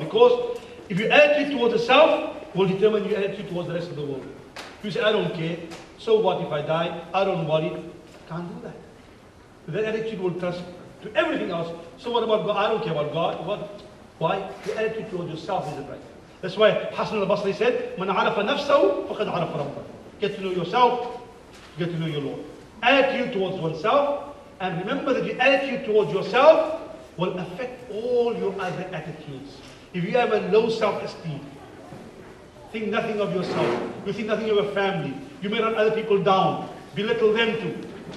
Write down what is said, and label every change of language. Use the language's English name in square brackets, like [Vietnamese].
[English] Because if your attitude towards the self will determine your attitude towards the rest of the world. You say, I don't care. So what if I die? I don't worry. Can't do that. That attitude will trust to everything else. So what about God? I don't care about God. What? Why? Your attitude towards yourself isn't right. That's why Hassan al-Basri said, [Arabic] مَنْ عَرَفَ نَفْسَهُ فَقَدْ عَرَفَ رَبَّهُ. [English] Get to know yourself, get to know your Lord. Attitude towards oneself, and remember that your attitude towards yourself will affect all your other attitudes. If you have a low self-esteem, think nothing of yourself, you think nothing of your family, you may run other people down, belittle them too.